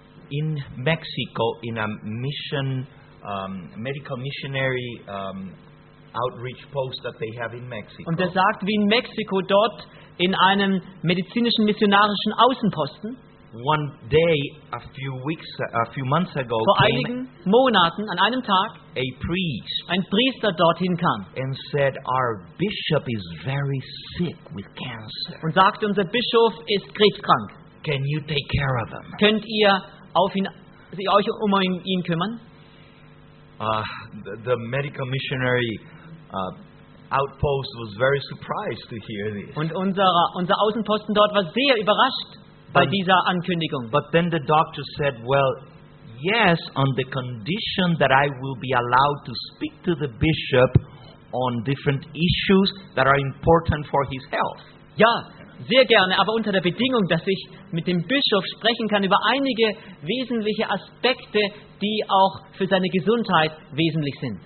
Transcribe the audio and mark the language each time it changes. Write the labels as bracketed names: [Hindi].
[English] in Mexico in a mission, medical missionary outreach post that they have in Mexico. [German] Und er sagt, wie in Mexiko dort in einem medizinischen missionarischen Außenposten. [English] One day, a few months ago, [German] vor einigen Monaten, an einem Tag, [English] a priest, [German] ein Priester dorthin kam, [English] and said, "Our bishop is very sick with cancer." [German] Und sagte, unser Bischof ist krebskrank. [English] Can you take care of him? [German] Könnt ihr auf ihn, sie euch um ihn kümmern? [English] The medical missionary outpost was very surprised to hear this. [German] Und unser Außenposten dort war sehr überrascht. Bei dieser Ankündigung. [English] But then the doctor said, "Well, yes, on the condition that I will be allowed to speak to the bishop on different issues that are important for his health." [German] Ja, sehr gerne, aber unter der Bedingung, dass ich mit dem Bischof sprechen kann über einige wesentliche Aspekte, die auch für seine Gesundheit wesentlich sind.